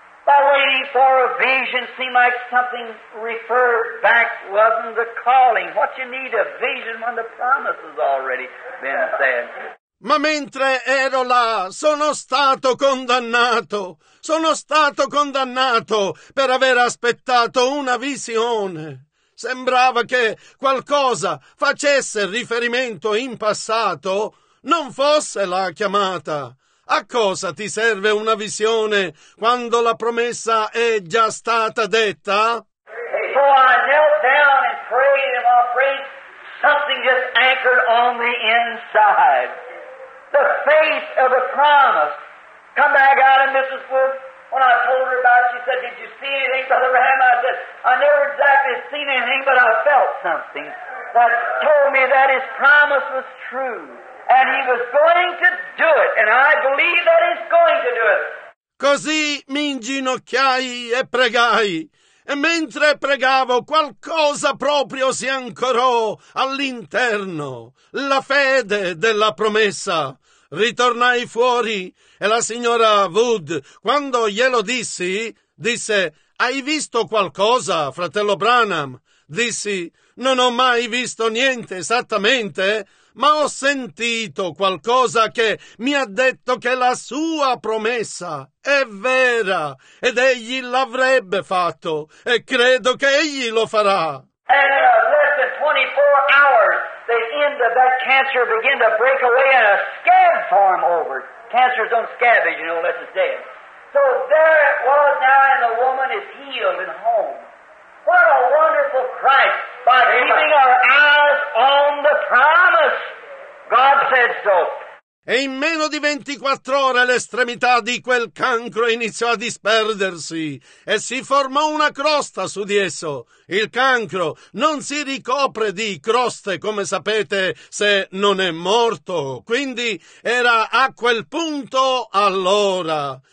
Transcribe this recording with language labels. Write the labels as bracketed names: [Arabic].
[English] by waiting for a vision seemed like something referred back wasn't the calling. What you need a vision when the promise has already been said. [Italian] Ma mentre ero là, sono stato condannato. Sono stato condannato per aver aspettato una visione. Sembrava che qualcosa facesse riferimento in passato, non fosse la chiamata. A cosa ti serve una visione quando la promessa è già stata detta? [English] So I knelt down and prayed, and I prayed something just anchored on the inside. The faith of the promise. Come back out of Mrs. Wood. When I told her about it, she said, did you see anything, Brother Ram? I said, I never exactly seen anything, but I felt something that told me that his promise was true. And he was going to do it. And I believe that he's going to do it. [Italian] Così mi inginocchiai e pregai. E mentre pregavo, qualcosa proprio si ancorò all'interno, la fede della promessa. Ritornai fuori e la signora Wood, quando glielo dissi, disse, «Hai visto qualcosa, fratello Branham?» Dissi, «Non ho mai visto niente esattamente, ma ho sentito qualcosa che mi ha detto che la sua promessa è vera ed egli l'avrebbe fatto e credo che egli lo farà». [English] And in less than 24 hours, the end of that cancer began to break away and a scab formed over. Cancers don't scab, as you know, unless it's dead. So there it was now, and the woman is healed and home. What a wonderful Christ. By keeping our eyes on the promise, God said so. [Italian] E in meno di 24 ore l'estremità di quel cancro iniziò a disperdersi e si formò una crosta su di esso. Il cancro non si ricopre di croste, come sapete, se non è morto. Quindi era a quel punto allora.